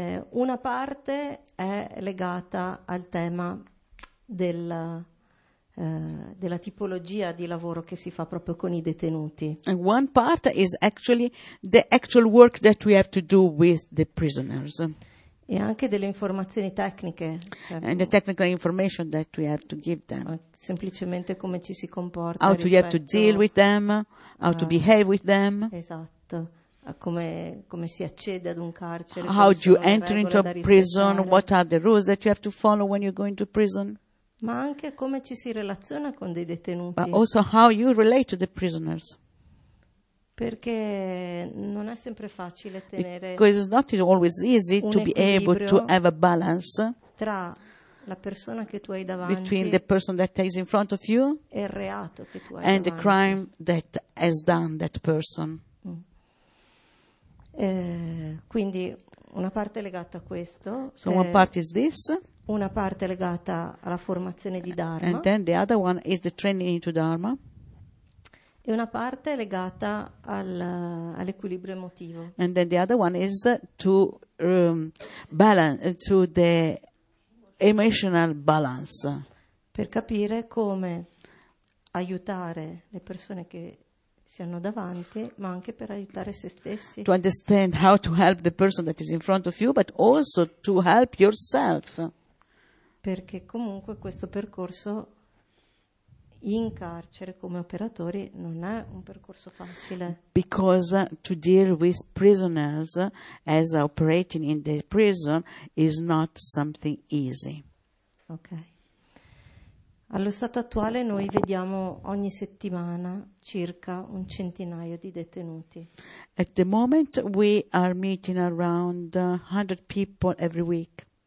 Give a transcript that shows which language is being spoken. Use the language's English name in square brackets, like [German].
[Italian] Una parte è legata al tema della tipologia di lavoro che si fa proprio con i detenuti. [English] And one part is actually the actual work that we have to do with the prisoners. [Italian] E anche delle informazioni tecniche. [English] Cioè, and the technical information that we have to give them. [Italian] Semplicemente come ci si comporta. [English] How to you have to deal with them, how to behave with them. [Italian] Esatto. Come si accede ad un carcere. [English] How do you enter into a prison, what are the rules that you have to follow when you go into prison. [Italian] Ma anche come ci si relaziona con dei detenuti. [English] But also how you relate to the prisoners. [Italian] Perché non è sempre facile tenere. [English] Because it's not always easy to be able to have a balance [Italian] tra la persona che tu hai davanti [English] between the person that is in front of you [Italian] e il reato che tu hai [English] and [Italian] davanti. [English] The crime that has done that person. [Italian] Quindi una parte legata a questo. [English] So one part is this. [Italian] Una parte legata alla formazione di Dharma. [English] And then the other one is the training into Dharma. [Italian] E una parte è legata all'equilibrio emotivo. [English] And then the other one is to balance to the emotional balance. [Italian] Per capire come aiutare le persone che si hanno davanti, ma anche per aiutare se stessi. [English] To understand how to help the person that is in front of you, but also to help yourself. [Italian] Perché comunque questo percorso in carcere come operatori non è un percorso facile. [English] Because to deal with prisoners as operating in the prison is not something easy. Ok. [Italian] Allo stato attuale noi vediamo ogni settimana circa un centinaio di detenuti. [English] At the moment we are meeting around 100 people every week.